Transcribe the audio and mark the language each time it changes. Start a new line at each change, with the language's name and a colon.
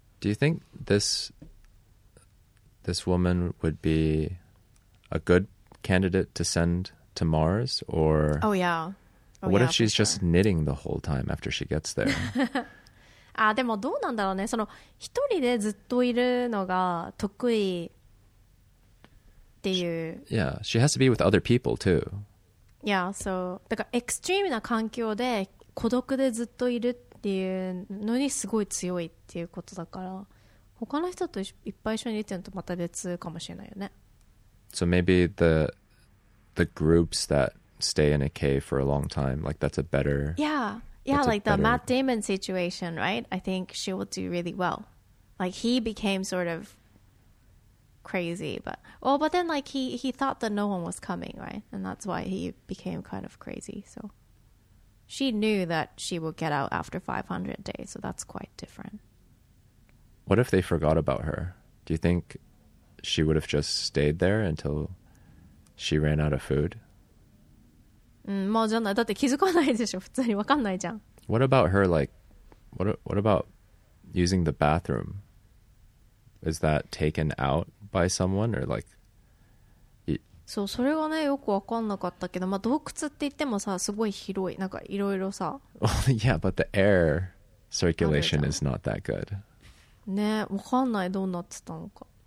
English: Do you think this woman would be a good candidate to send to Mars? Or oh, yeah. Oh, what if she's just knitting the whole time after she gets there?
Japanese: あでもどうなんだろうね、その一人でずっといるのが得意っていう。
English: Yeah, she has to be with other people too. Yeah, so
Japanese: だからエクストリームな環境で孤独でずっといるっていうのにすごい強いっていうことだから、他の人といっぱい一緒にいてるのとまた別かもしれないよね。
English: So maybe the groups that stay in a cave for a long time, like that's a better... Yeah, like the Matt Damon situation, right? I think she will do really well. Like, he became sort of crazy. But then, like, he thought that no one was coming, right? And that's why he became kind of crazy. So she knew that she would get out after 500 days. So that's quite different. What if they forgot about her? Do you think she would have just stayed there until she ran out of food?
Japanese: まあじゃない、だって気づかないでしょ、普通にわかんないじゃん。
English: What about her, like, what about using the bathroom? Is that taken out by someone, or like...
Japanese: そう、それがね、よくわかんなかったけど、まあ洞窟って言ってもさ、すごい広い、なんかいろいろさ。
English: Yeah, but the air circulation is not that good.
Japanese: ね、わかんない、どうなってたのか。